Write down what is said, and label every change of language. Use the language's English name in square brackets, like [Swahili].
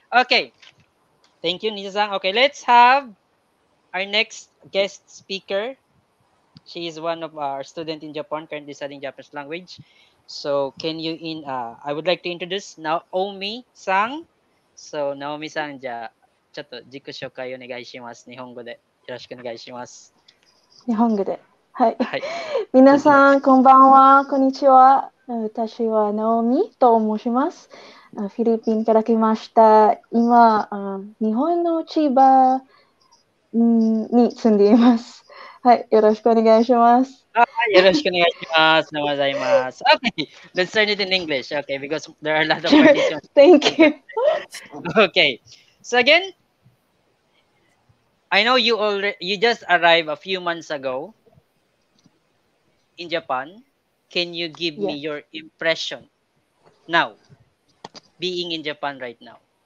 [English] Okay. Thank you, Ninja-san. Okay, let's have our next guest speaker. She is one of our students in Japan, currently studying Japanese language. So can you, I would like to introduce Naomi-san. [Japanese] So Naomi-san, ちょっと自己紹介お願いします。日本語でよろしくお願いします。日本語で。はい。皆さん、こんばんは。こんにちは。私は Naomi と申します。フィリピンから来ました。今、日本の千葉に住んでいます。はい、よろしくお願いします。よろしくお願いします。おはようございます。 [English] Okay, let's start it in English, okay, because there are a lot of questions. Thank you. Okay, so again, I know you just arrived a few months ago in Japan. Can you give me your impression now, being in Japan right now?